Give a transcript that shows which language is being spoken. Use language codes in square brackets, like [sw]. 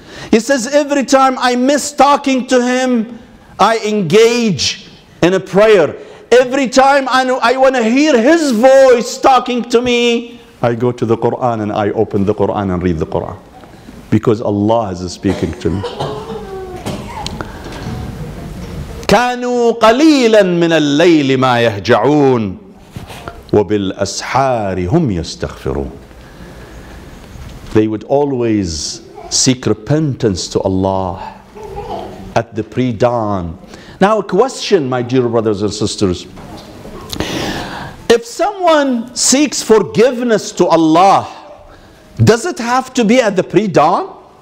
[en] He says every time I miss talking to him, I engage in a prayer. Every time I want to hear his voice talking to me, I go to the Quran and I open the Quran and read the Quran. Because Allah is speaking to me. [ar] كانوا قليلا من الليل ما يهجعون وبالأسحار هم يستغفرون. [en] They would always seek repentance to Allah at the pre-dawn. Now a question, my dear brothers and sisters. If someone seeks forgiveness to Allah, does it have to be at the pre-dawn?